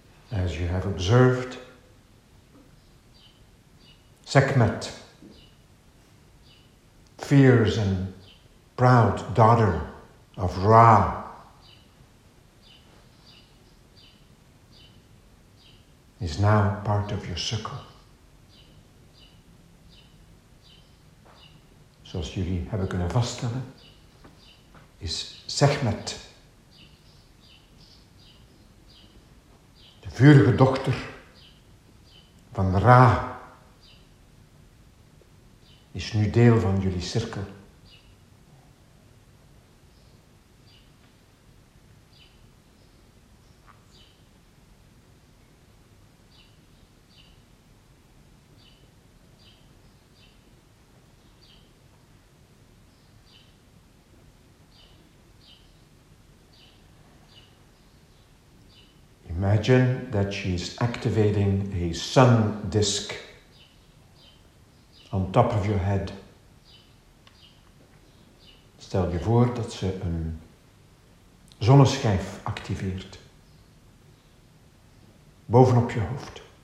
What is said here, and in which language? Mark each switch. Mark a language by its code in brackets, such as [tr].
[en] As you have observed, Sekhmet, fierce and proud daughter of Ra, is now part of your circle. [nl] Zoals jullie hebben kunnen vaststellen, is Sekhmet vurige dochter van Ra is nu deel van jullie cirkel. [en] Imagine that she is activating a sun disk on top of your head. [nl] Stel je voor dat ze een zonneschijf activeert bovenop je hoofd.